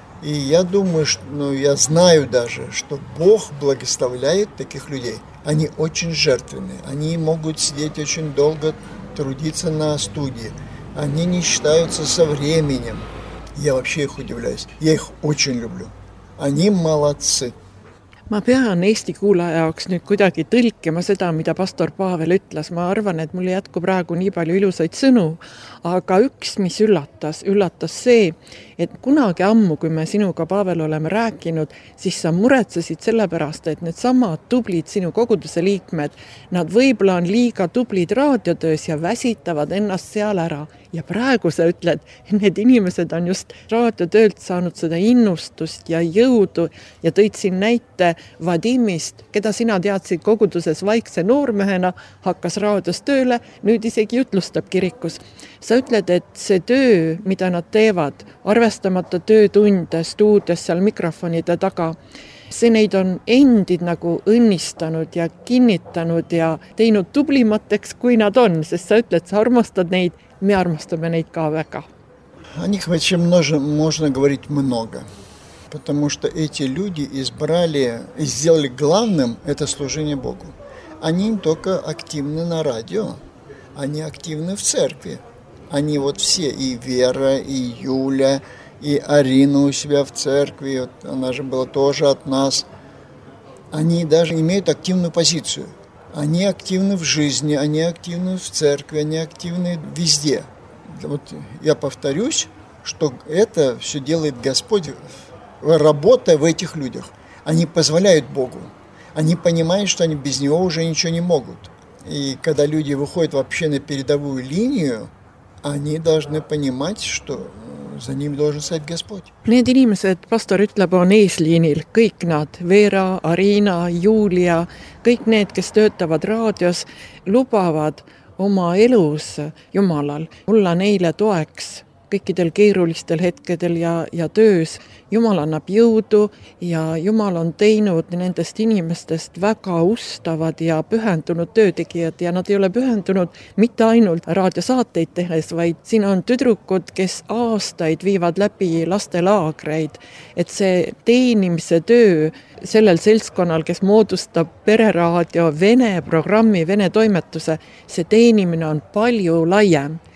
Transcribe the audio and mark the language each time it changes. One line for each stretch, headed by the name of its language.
Russian: И я думаю, что, ну я знаю даже, что Бог благословляет таких людей. Они очень жертвенные, они могут сидеть очень долго, трудиться на студии, они не считаются со временем. Я вообще их удивляюсь. Я их очень люблю. Они молодцы.
Estonian: Ma pean Eesti kuulaja jaoks nüüd kuidagi tõlkema seda, mida pastor Pavel ütles. Ma arvan, et mul jätku praegu nii palju ilusaid sõnu, aga üks, mis üllatas see, et kunagi ammu, kui me sinuga Pavel oleme rääkinud, siis sa muretsesid sellepärast, et need samad tublid sinu koguduse liikmed, nad võibolla on liiga tublid raadiotöös ja väsitavad ennast seal ära. Ja praegu sa ütled, et need inimesed on just raadiotöölt saanud seda innustust ja jõudu ja tõid siin näite, Vadimist, keda sina teadsid koguduses vaikse noormehena, hakkas raadios tööle, nüüd isegi jutlustab kirikus. Sa ütled, et see töö, mida nad teevad, arvestamata töötunde stuudios seal mikrofonide taga, see neid on endid nagu õnnistanud ja kinnitanud ja teinud tublimateks, kui nad on, sest sa ütled, sa armastad neid, me armastame neid ka väga. Aniks võtse možna
Russian: говорить много. Потому что эти люди избрали и сделали главным это служение Богу. Они не только активны на радио, они активны в церкви. Они вот все, и Вера, и Юля, и Арина у себя в церкви, вот она же была тоже от нас. Они даже имеют активную позицию. Они активны в жизни, они активны в церкви, они активны везде. Вот я повторюсь, что это все делает Господь. Работая в этих людях, они позволяют Богу. Они понимают, что они без Него уже ничего не могут. И когда люди выходят вообще на передовую линию, они должны понимать, что за ним должен стоять Господь.
Estonian: Need inimesed, pastor ütleb, on eesliinil. Kõik nad, Vera, Arina, Julia, kõik need, kes töötavad raadios, lubavad oma elus Jumalal. Mulla neile toeks. kõikidel keerulistel hetkedel ja töös. Jumal annab jõudu ja Jumal on teinud nendest inimestest väga ustavad ja pühendunud töötegijad ja nad ei ole pühendunud mitte ainult raadiosaateid tehes, vaid siin on tüdrukud, kes aastaid viivad läbi lastelaagreid, et see teenimise töö sellel seltskonnal, kes moodustab pereraadio Vene programmi, Vene toimetuse, see teenimine on palju laiem.